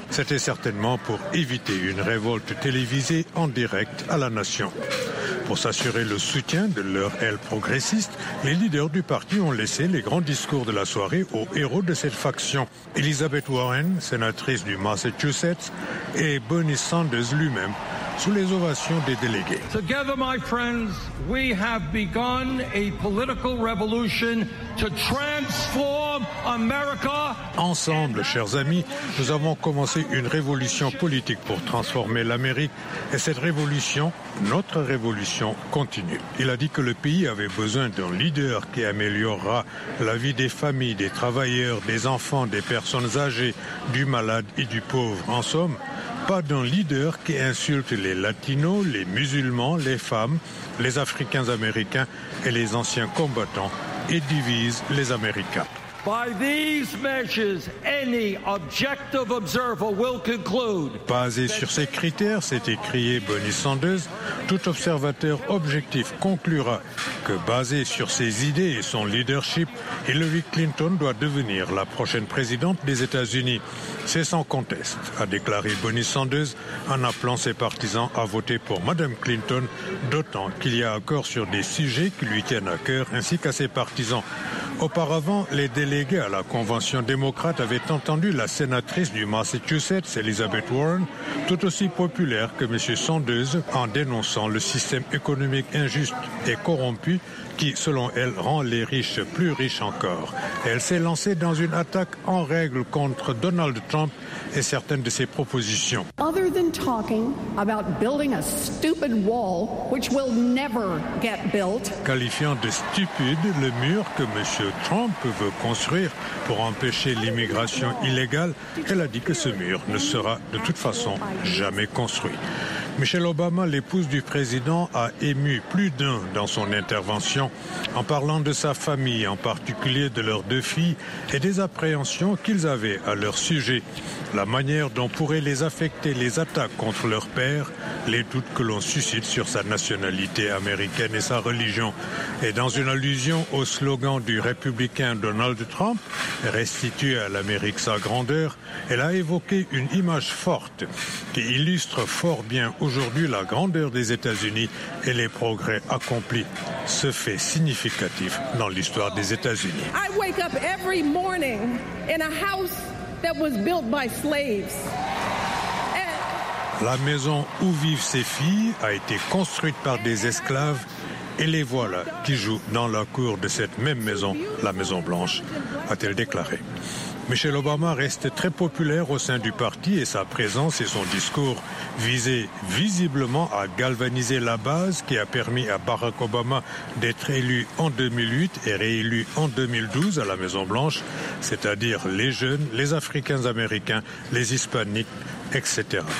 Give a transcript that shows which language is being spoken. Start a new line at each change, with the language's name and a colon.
French: C'était certainement pour éviter une révolte télévisée en direct à la nation. Pour s'assurer le soutien de leur aile progressiste, les leaders du parti ont laissé les grands discours de la soirée aux héros de cette faction. Elizabeth Warren, sénatrice du Massachusetts, et Bernie Sanders lui-même, sous les ovations des délégués.
English: Together, my friends, we have begun a political revolution to transform America.
French: Ensemble, chers amis, nous avons commencé une révolution politique pour transformer l'Amérique. Et cette révolution, notre révolution, continue. Il a dit que le pays avait besoin d'un leader qui améliorera la vie des familles, des travailleurs, des enfants, des personnes âgées, du malade et du pauvre. En somme, pas d'un leader qui insulte les latinos, les musulmans, les femmes, les africains américains et les anciens combattants et divise les américains.
English: By these measures, any objective observer will conclude.
French: Basé sur ces critères, s'est écrié Bernie Sanders, tout observateur objectif conclura que basé sur ses idées et son leadership, Hillary Clinton doit devenir la prochaine présidente des États-Unis. C'est sans conteste, a déclaré Bernie Sanders en appelant ses partisans à voter pour Mme Clinton, d'autant qu'il y a accord sur des sujets qui lui tiennent à cœur ainsi qu'à ses partisans. Auparavant, les délégués à la convention démocrate avaient entendu la sénatrice du Massachusetts, Elizabeth Warren, tout aussi populaire que M. Sanders, en dénonçant le système économique injuste et corrompu qui, selon elle, rend les riches plus riches encore. Elle s'est lancée dans une attaque en règle contre Donald Trump et certaines de ses propositions.
English: Other than talking about building a stupid wall, which will never get built,
French: qualifiant de stupide le mur que M. Trump veut construire pour empêcher l'immigration illégale, elle a dit que ce mur ne sera de toute façon jamais construit. Michelle Obama, l'épouse du président, a ému plus d'un dans son intervention en parlant de sa famille, en particulier de leurs deux filles et des appréhensions qu'ils avaient à leur sujet. La manière dont pourraient les affecter les attaques contre leur père, les doutes que l'on suscite sur sa nationalité américaine et sa religion. Et dans une allusion au slogan du républicain Donald Trump, restituer à l'Amérique sa grandeur, elle a évoqué une image forte qui illustre fort bien aujourd'hui la grandeur des États-Unis et les progrès accomplis. Ce fait significatif dans l'histoire des États-Unis.
English: I wake up every morning in a house that was built by slaves.
French: La maison où vivent ces filles a été construite par des esclaves et les voilà qui jouent dans la cour de cette même maison, la Maison Blanche, a-t-elle déclaré. Michelle Obama reste très populaire au sein du parti et sa présence et son discours visaient visiblement à galvaniser la base qui a permis à Barack Obama d'être élu en 2008 et réélu en 2012 à la Maison Blanche, c'est-à-dire les jeunes, les Africains-Américains, les Hispaniques, etc.